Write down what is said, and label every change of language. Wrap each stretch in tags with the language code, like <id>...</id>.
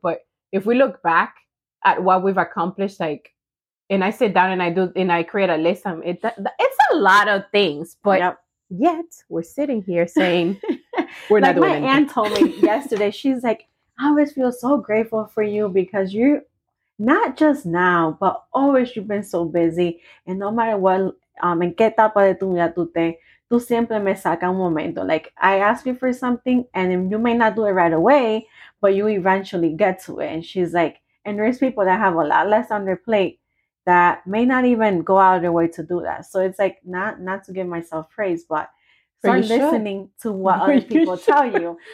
<en>But if we look back at what we've accomplished, like, and I sit down and I do and I create a list, it's a lot of things. But yep. Yet we're sitting here saying we're like not doing anything. My aunt told me yesterday, she's like, I always feel so grateful for you because you're not just now, but always you've been so busy. And no matter what,</en> <es>en qué etapa de tu vida tú siempre me sacas un momento.</es> <en>Like, I ask you for something and you may not do it right away, but you eventually get to it. And she's like, and there's people that have a lot less on their plate that may not even go out of their way to do that. So it's like, not to give myself praise, but start listening to what other people tell you.</en>